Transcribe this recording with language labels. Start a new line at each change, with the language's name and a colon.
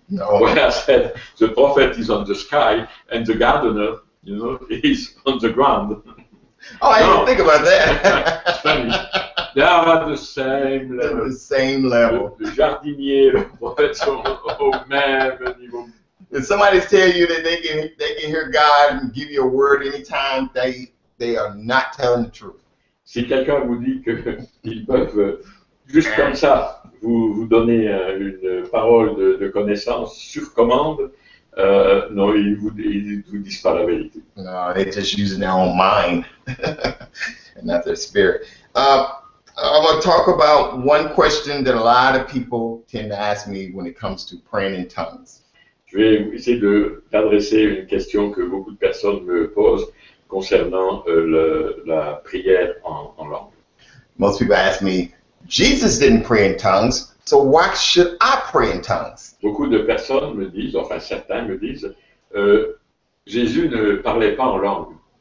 English: No. Well, I said, the prophet is on the sky and the gardener, you know, is on the ground. Oh, I didn't think about that. They are at the same level. The same level.
French: Le jardinier, le prophète sont au même niveau.
English: If somebody tell you that they can hear God and give you a word anytime, they are not telling the truth.
French: Si quelqu'un vous dit qu'ils peuvent juste comme ça vous donner une parole de connaissance sur commande, non, ils vous disent pas la vérité.
English: No, they're just using their own mind. and not their spirit. I want to talk about one question that a lot of people tend to ask me when it comes to praying in tongues.
French: Je vais essayer de d'adresser une question que beaucoup de personnes me posent concernant la prière en langue.
English: Most people ask me, Jesus didn't pray in tongues, so why should I pray in tongues?
French: Beaucoup de personnes me disent, enfin certains me disent, Jésus ne parlait pas en langue.